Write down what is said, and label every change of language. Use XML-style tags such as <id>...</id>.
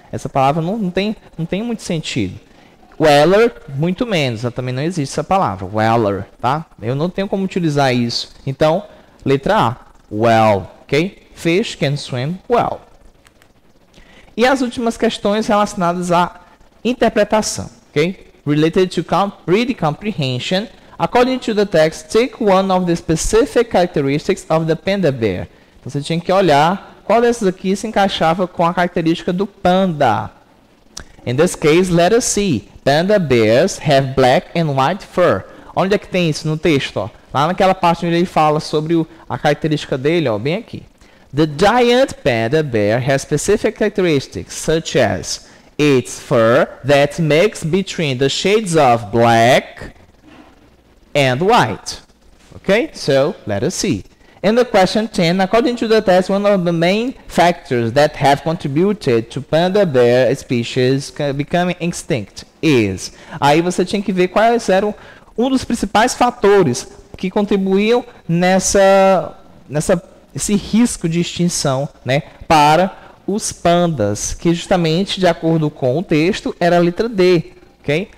<pt>Essa palavra não tem muito sentido. Weller, muito menos. Também não existe essa palavra. Weller, tá? Eu não tenho como utilizar isso. Então, letra A,</pt> <en>well, ok? Fish can swim well.</en> <pt>E as últimas questões relacionadas à interpretação, ok?</pt> <en>Related to read comprehension, according to the text, take one of the specific characteristics of the panda bear.</en> <pt>Então, você tinha que olhar qual dessas aqui se encaixava com a característica do panda.</pt> <en>In this case, let us see. Panda bears have black and white fur.</en> <pt>Onde é que tem isso no texto, ó? Lá naquela parte onde ele fala sobre a característica dele, ó, bem aqui.</pt> <en>The giant panda bear has specific characteristics, such as its fur that mix between the shades of black and white. Okay, so let us see. In the question 10, according to the test, one of the main factors that have contributed to panda bear species becoming extinct is...</en> <pt>Aí você tinha que ver quais eram um dos principais fatores que contribuíam nesse risco de extinção, né, para os pandas, que justamente, de acordo com o texto, era a letra D, ok?</pt>